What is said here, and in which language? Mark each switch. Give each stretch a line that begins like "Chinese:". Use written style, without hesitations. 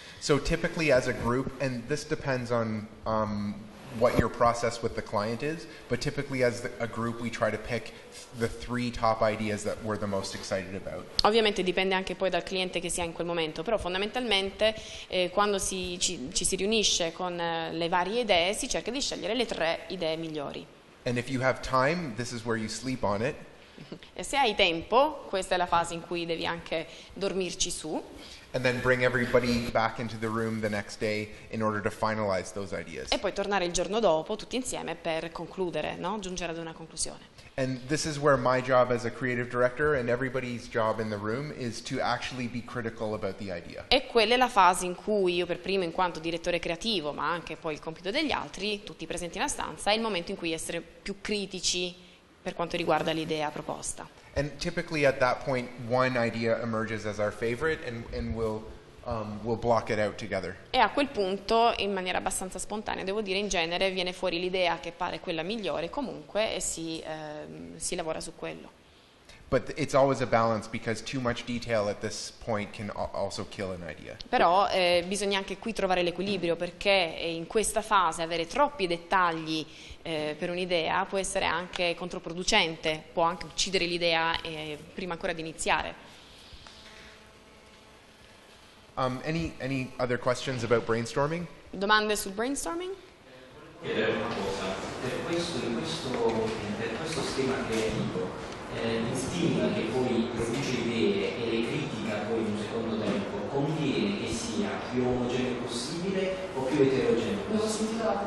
English: So typically as a group, and this depends on what your process with the client is, but typically as a group we try to pick the three top ideas that we're the most excited about.
Italian: Ovviamente dipende anche poi dal cliente che si ha in quel momento, però fondamentalmente quando ci si riunisce con le varie idee si cerca di scegliere le tre idee migliori.
English: And if you have time, this is where you sleep on it.
Italian: E se hai tempo, questa è la fase in cui devi anche dormirci su.
English: And then bring everybody back into the room the next day in order to finalize those ideas.
Italian: E poi tornare il giorno dopo tutti insieme per concludere, no? Giungere ad una conclusione.
English: And this is where my job as a creative director and everybody's job in the room is to actually be critical about the idea.
Italian: E quella è la fase in cui io per primo in quanto direttore creativo, ma anche poi il compito degli altri, tutti presenti in stanza, è il momento in cui essere più critici per quanto riguarda l'idea proposta.
English: And typically at that point one idea emerges as our favorite and we'll block it out together.
Italian: E a quel punto, in maniera abbastanza spontanea, devo dire, in genere viene fuori l'idea che pare quella migliore comunque e si lavora su quello.
English: But it's always a balance because too much detail at this point can also kill an idea.
Italian: Però bisogna anche qui trovare l'equilibrio perché in questa fase avere troppi dettagli per un'idea può essere anche controproducente, può anche uccidere l'idea prima ancora di iniziare.
English: Any other questions about brainstorming?
Italian: Domande sul brainstorming? Chiedere una cosa. Per questo schema creativo. L'istinto che poi produce idee e le critica poi in un secondo tempo conviene che sia più omogeneo possibile o più eterogeneo possibile?